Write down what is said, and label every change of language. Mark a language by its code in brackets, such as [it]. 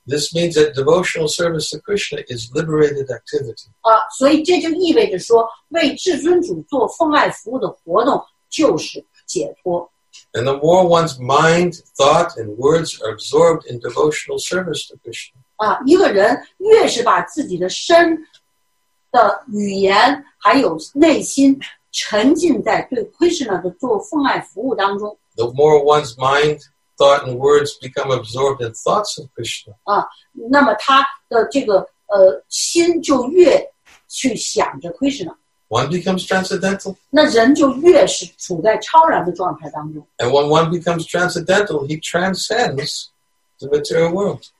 [en] This means that devotional service to Krishna is liberated activity. [zh] 所以这就意味着说为至尊主做奉爱服务的活动就是解脱。 [en] And the more one's mind, thought, and words are absorbed in devotional service to Krishna, [zh] 一个人越是把自己的身的语言还有内心沉浸在对Krishna的做奉爱服务当中, [en] the more one's mind, thought, and words become absorbed in thoughts of Krishna, [zh] 那么他的这个心就越去想着Krishna, [en] one becomes transcendental. [zh] 那人就越是处在超然的状态当中, [en] and when one becomes transcendental, he transcends the material world.